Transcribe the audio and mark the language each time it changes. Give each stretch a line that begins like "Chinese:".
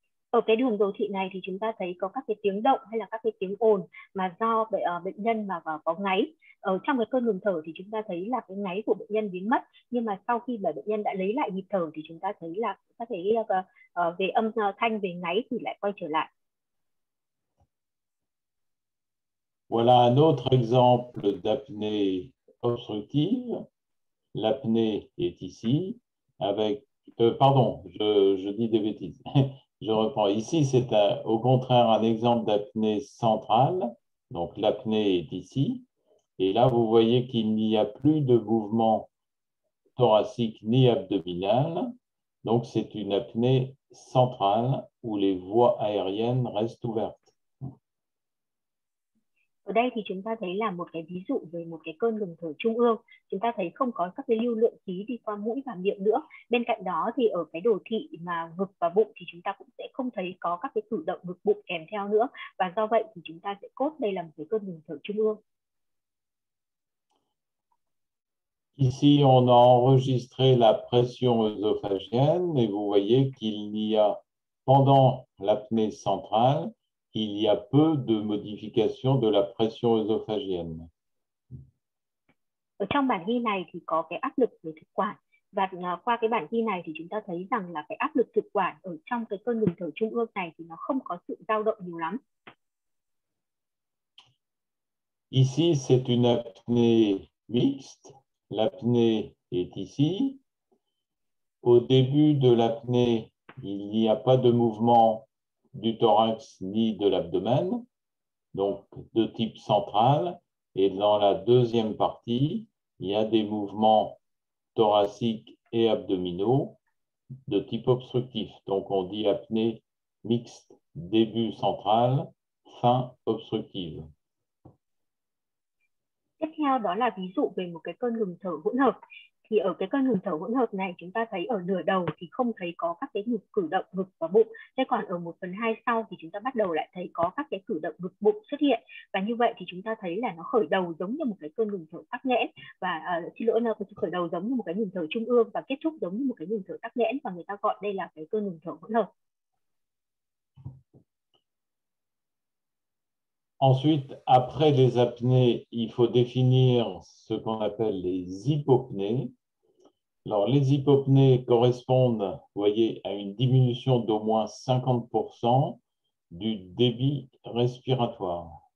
Vietnamese: Ở cái đường đồ thị này thì chúng ta thấy có các cái tiếng động hay là các cái tiếng ồn mà do bệnh nhân mà có ngáy. Ở trong cái cơn ngừng thở thì chúng ta thấy là cái ngáy của bệnh nhân biến mất, nhưng mà sau khi mà bệnh nhân đã lấy lại nhịp thở thì chúng ta thấy là các cái về âm thanh, về ngáy thì lại quay trở lại.
French: Voilà un autre exemple d'apnée obstructive. L'apnée est ici avec Je reprends. Ici, c'est au contraire un exemple d'apnée centrale. Donc, l'apnée est ici. Et là, vous voyez qu'il n'y a plus de mouvement thoracique ni abdominal. Donc, c'est une apnée centrale où les voies aériennes restent ouvertes.
Vietnamese: Ở đây thì chúng ta thấy là một cái ví dụ về một cái cơn ngừng thở trung ương. Chúng ta thấy không có các cái lưu lượng khí đi qua mũi và miệng nữa. Bên cạnh đó thì ở cái đồ thị mà ngực và bụng thì chúng ta cũng sẽ không thấy có các cái cử động ngực bụng kèm theo nữa. Và do vậy thì chúng ta sẽ cốt đây là một cái cơn ngừng thở trung ương.
French: Ici on a enregistré la pression œsophagienne et vous voyez qu'il n'y a pendant l'apnée centrale il y a peu de modification de la pression œsophagienne.
Vietnamese: Ở trong bản ghi này thì có cái áp lực về thực quản, và qua cái bản ghi này thì chúng ta thấy rằng là cái áp lực thực quản ở trong cái cơn ngừng thở trung ương này thì nó không có sự dao động nhiều lắm.
French: Ici, c'est une apnée mixte. L'apnée est ici. Au début de l'apnée, il n'y a pas de mouvement du thorax ni de l'abdomen, donc de type central, et dans la deuxième partie, il y a des mouvements thoraciques et abdominaux de type obstructif. Donc on dit apnée mixte, début central, fin obstructive.
Vietnamese: Tiếp theo đó là ví dụ về một cái cơn ngừng thở hỗn hợp. Thì ở cái cơn ngừng thở hỗn hợp này chúng ta thấy ở nửa đầu thì không thấy có các cái cử động ngực và bụng. Thế còn ở 1/2 sau thì chúng ta bắt đầu lại thấy có các cái cử động ngực bụng xuất hiện. Và như vậy thì chúng ta thấy là nó khởi đầu giống như một cái cơn ngừng thở tắc nghẽn. Và xin lỗi, nó khởi đầu giống như một cái ngừng thở trung ương và kết thúc giống như một cái ngừng thở tắc nghẽn. Và người ta gọi đây là cái cơn ngừng thở hỗn hợp.
French: Ensuite, après les apnées, il faut définir ce qu'on appelle les hypopnées. Alors, les hypopnées correspondent, vous voyez, à une diminution d'au moins 50% du débit respiratoire.